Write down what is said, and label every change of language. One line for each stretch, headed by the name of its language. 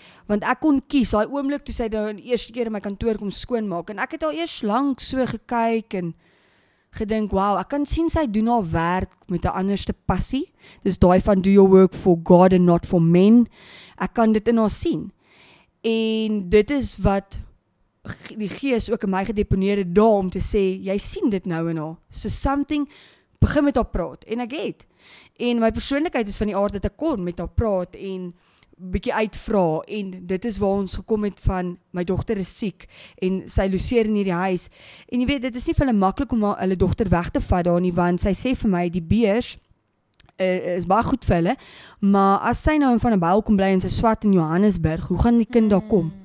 Afrikaans: Want ek kon kies, daai oomblik toe sy nou die eerste keer in my kantoor kom skoonmaak, en ek het al eers lank so gekyk en gedink, wow, ek kan sien sy doen haar werk met 'n anderste passie. Dis daai van
English: do your work for God and not for men.
Afrikaans: Ek kan dit in haar sien. En dit is wat die Gees ook in my gedeponeer het daar om te sê, jy sien dit nou in haar.
English: So something,
Afrikaans: begin met haar praat. En ek het. En my persoonlikheid is van die aard dat ek kon met haar praat en bietjie uitvra en dit is waar ons gekom het van my dogter is siek en sy loseer in hierdie huis en jy weet dit is nie vir hulle maklik om hulle dogter weg te vat daar nie want sy sê vir my die beers is baie goed vir hulle maar as sy nou in van 'n byl kom bly in sy swat in Johannesburg hoe gaan die kind daar kom?